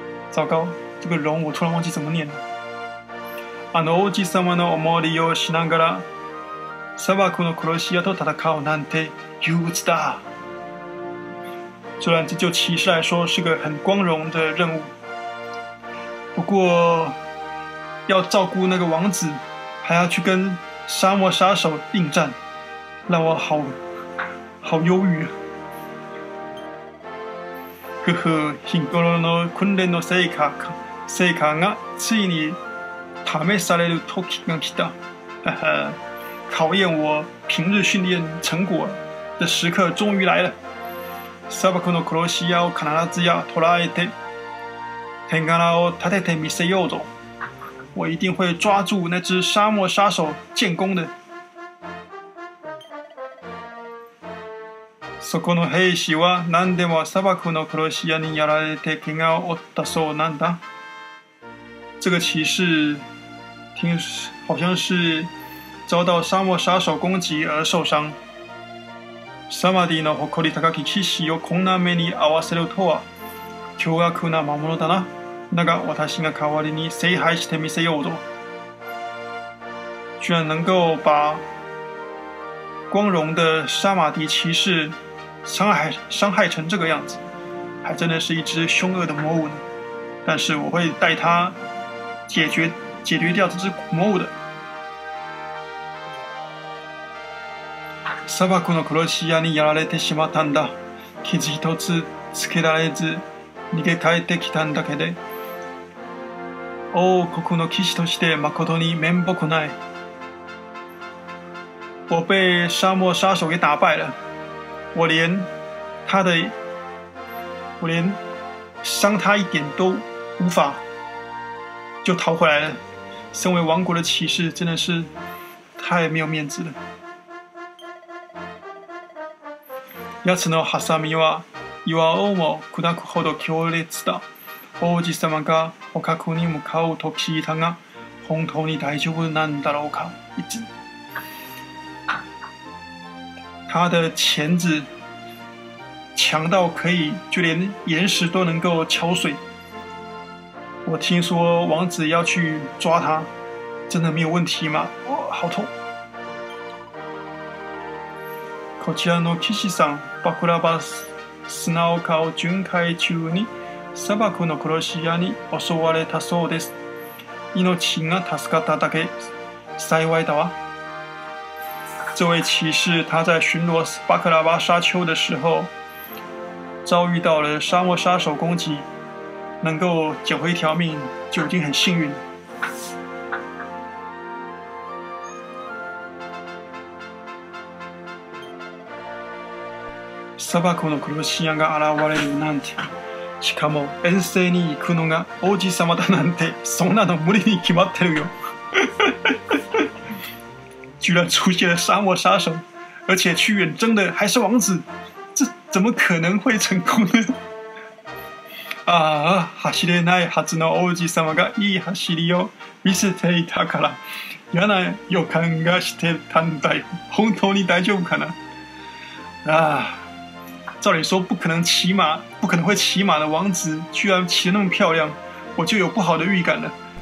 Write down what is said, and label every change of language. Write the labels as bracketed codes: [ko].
[zh] 糟糕，这个龙我突然忘记怎么念了。 [ja] あの王子様のお守りをしながら、砂漠の殺し屋と戦うなんて憂鬱だ。 [zh] 虽然这就骑士来说是个很光荣的任务，不过要照顾那个王子，还要去跟沙漠杀手应战，让我好忧郁。 [ja] 呵呵，日頃の訓練の成果がついに試される時が来た。 [zh] 考验我平日训练成果的时刻终于来了。 [ja] 砂漠の殺し屋を必ずや捕らえて、天柄を立ててみせようぞ。 [zh] 我一定会抓住那只沙漠杀手建功的。 [ja] そこの兵士は何でも砂漠の殺し屋にやられて怪我を負ったそうなんだ。 [zh] 这个骑士听好像是遭到沙漠杀手攻击而受伤。 [ja] サマディの誇り高き騎士をこんな目に遭わせるとは。凶悪な魔物だな。だが私が代わりに聖杯してみせようぞ。 [zh] 居然能够把光荣的杀马迪骑士伤害成这个样子，还真的是一只凶恶的魔物呢。但是我会带他解决掉这只魔物的。 [ja] 砂漠の殺し屋にやられてしまったんだ。傷一つつけられず逃げ帰ってきたんだけど、王国の騎士として誠に面目ない。 [zh] 我被沙漠杀手给打败了，我连伤他一点都无法就逃回来了。身为王国的骑士真的是太没有面子了。 [ja] 奴のハサミは岩をも砕くほど強烈だ。王子様が捕獲に向かうと聞いたが、本当に大丈夫なんだろうか。 [zh] 他的钳子强到可以就连岩石都能够敲碎。我听说王子要去抓他，真的没有问题吗？哦，好痛。 [ja] こちらの騎士さん、バクラバス、砂丘を巡回中に砂漠の殺し屋に襲われたそうです。命が助かっただけ、幸いだわ。 [zh] 这位骑士他在巡逻巴克拉巴沙丘的时候遭遇到了沙漠杀手攻击，能够捡回一条命就已经很幸运了。 [ja] 砂漠の殺し屋が現れるなんて、しかも遠征に行くのが王子様だなんて、そんなの無理に決まってるよ。 [zh] 居然出现了沙漠杀手，而且去远征的还是王子，这怎么可能会成功呢？ [ja] 啊，走れないはずの王子様がいい走りを見せていたから、嫌な予感がしてたんだよ。本当に大丈夫かな？啊。 [zh] 照理说不可能骑马，不可能会骑马的王子居然骑得那么漂亮，我就有不好的预感了。